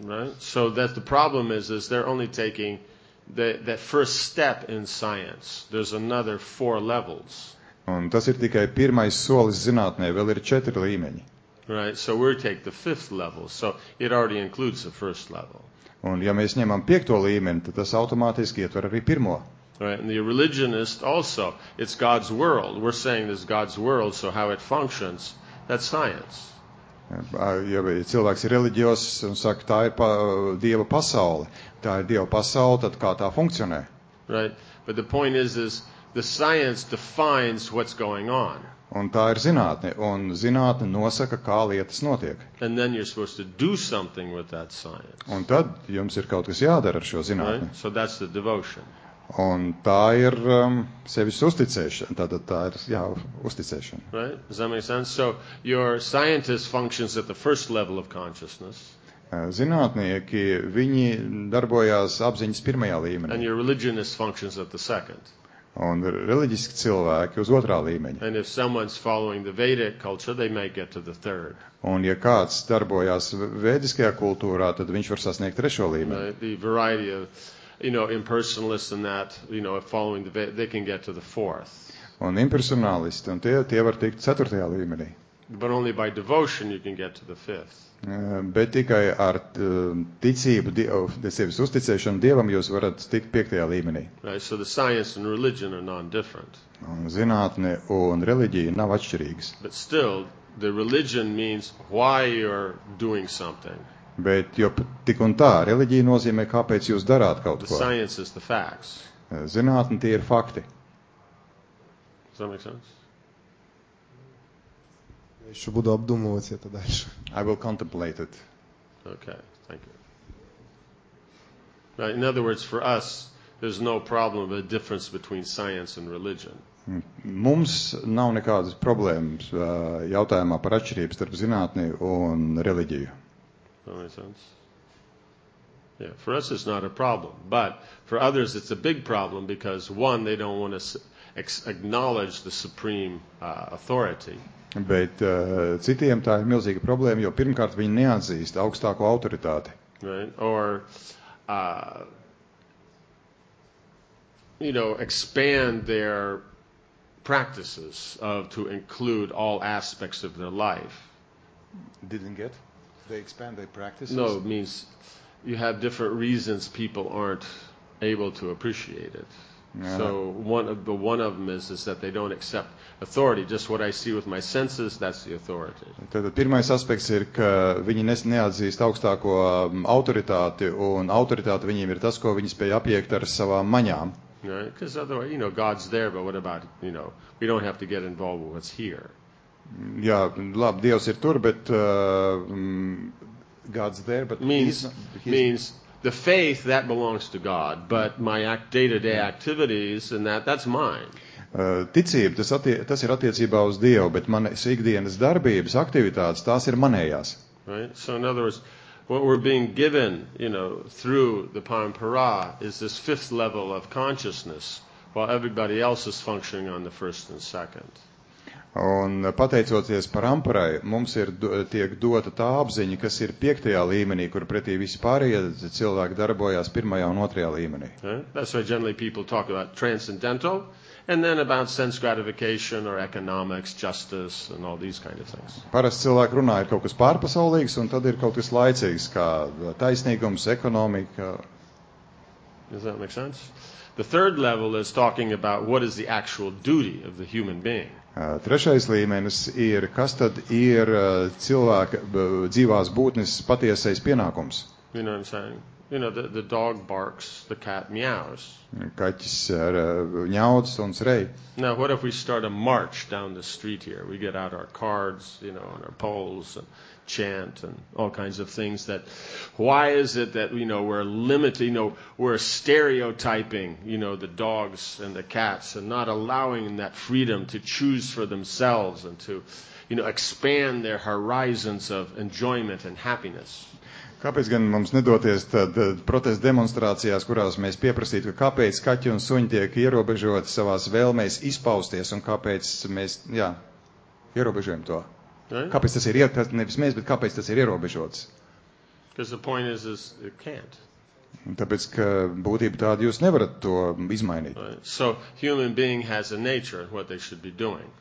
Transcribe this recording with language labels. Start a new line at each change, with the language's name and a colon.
English: Right? So that the problem is there only taking that first step in science. There's another four levels.
Latvian: Un tas ir tikai pirmais solis zinātnē, vēl ir četri līmeņi.
English: Right, so we take the fifth level, so it already includes the first level.
Latvian: Un ja mēs ņemam piekto līmeni, tad tas automātiski ietver arī pirmo.
English: Right, and the religionist also, it's God's world. We're saying this is God's world, so how it functions, that's science.
Latvian: Ja cilvēks ir reliģios un saka, tā ir Dieva pasaule, tā ir Dieva pasaule, tad kā tā funkcionē?
English: Right, but the point is the science defines what's going on.
Latvian: Un tā ir zinātne, un zinātne nosaka, kā lietas notiek.
English: And then you're supposed to do something with that science.
Latvian: Un tad jums ir kaut kas jādara ar šo zinātni.
English: Right? So that's the devotion.
Latvian: Un tā ir sevis uzticēšana, tātad tā ir, jā, uzticēšana.
English: Right? Does that make sense? So your scientist functions at the first level of consciousness.
Latvian: Zinātnieki, viņi darbojās apziņas pirmajā līmenī.
English: And your religionist functions at the second.
Latvian: Un reliģiski cilvēki uz otrā līmeņa.
English: And if someone's following the Vedic culture, they may get to the third.
Latvian: Un ja kāds darbojās vēdiskajā kultūrā, tad viņš var sasniegt trešo līmeni.
English: The variety of, you know, impersonalists and that, you know, following the Vedic, they can get to the fourth.
Latvian: Un impersonalisti, un tie var tikt ceturtajā līmenī.
English: But only by devotion you can get to the fifth.
Latvian: Bet tikai ar ticību, sevis uzticēšanu Dievam jūs varat tikt piektajā līmenī.
English: Right, so the science and religion are non-different.
Latvian: Un zinātne un reliģija nav atšķirīgas.
English: But still, the religion means why you're doing something.
Latvian: Bet jo tik un tā, reliģija nozīmē, kāpēc jūs darāt kaut ko.
English: The science is the facts.
Latvian: Zinātne tie ir fakti.
English: Does that make sense?
Latvian: Es šo budu apdomovat ja tad dalš.
English: I will contemplate it. Okay, thank you. Right, in other words, for us, there's no problem of a difference between science and religion.
Latvian: Mums nav nekādas problēmas jautājumā par atšķirību starp zinātni un reliģiju.
English: That makes sense. Yeah, for us it's not a problem, but for others it's a big problem because one, they don't want to acknowledge the supreme authority.
Latvian: Bet citiem tā ir milzīga problēma, jo pirmkārt viņi neatzīst augstāko autoritāti.
English: Right. Or, you know, expand their practices to include all aspects of their life. Didn't get? They expand their practices? No, it means you have different reasons people aren't able to appreciate it. Yeah. So one of them is that they don't accept authority. Just what I see with my senses, that's the authority.
Latvian: Tātad pirmais aspekts ir, ka viņi neatzīst augstāko autoritāti, un autoritāte viņiem ir tas, ko viņi spēj apiekt ar savām maņām.
English: Because right? Otherwise, you know, God's there, but what about, you know, we don't have to get involved with what's here.
Latvian: Jā, labi, Dievs ir tur, bet
English: God's there, but means the faith that belongs to God, but my day-to-day activities and that's mine.
Latvian: Ticība, tas ir attiecībā uz Dievu, bet manas ikdienas darbības, aktivitātes, tās ir manējās.
English: Right? So in other words, what we're being given, you know, through the parampara is this fifth level of consciousness, while everybody else is functioning on the first and second.
Latvian: Un pateicoties paramparai, mums ir tiek dota tā apziņa, kas ir piektajā līmenī, kur pretī visi pārējie cilvēki darbojās pirmajā un otrajā līmenī.
English: Okay. That's why generally people talk about transcendental, and then about sense gratification or economics, justice, and all these kind of things.
Latvian: Parasti cilvēki runā ir kaut kas pārpasaulīgs, un tad ir kaut kas laicīgs, kā taisnīgums, ekonomika.
English: Does that make sense? The third level is talking about what is the actual duty of the human being.
Latvian: Trešais līmenis ir, kas tad ir cilvēka dzīvās būtnes patiesais pienākums.
English: You know what I'm saying? You know, the dog barks, the cat meows.
Latvian: Kaķis ņauc un srei.
English: Now, what if we start a march down the street here? We get out our cards, you know, and our poles and chant and all kinds of things that why is it that, you know, we're limiting, you know, we're stereotyping, you know, the dogs and the cats and not allowing that freedom to choose for themselves and to, you know, expand their horizons of enjoyment and happiness.
Latvian: Kāpēc gan mums nedoties tad protesta demonstrācijās, kurās mēs pieprasītu, ka kāpēc kaķi un suņi tiek ierobežoti savās vēlmēs izpausties un kāpēc mēs, jā, ierobežojam to?
English: Right?
Latvian: Kāpēc tas ir nevis mēs, bet kāpēc tas ir ierobežots?
English: Because the point is it can't.
Latvian: Tāpēc, ka būtība tāda, jūs nevarat to izmainīt.
English: Right. So human being has a nature of what they should be doing.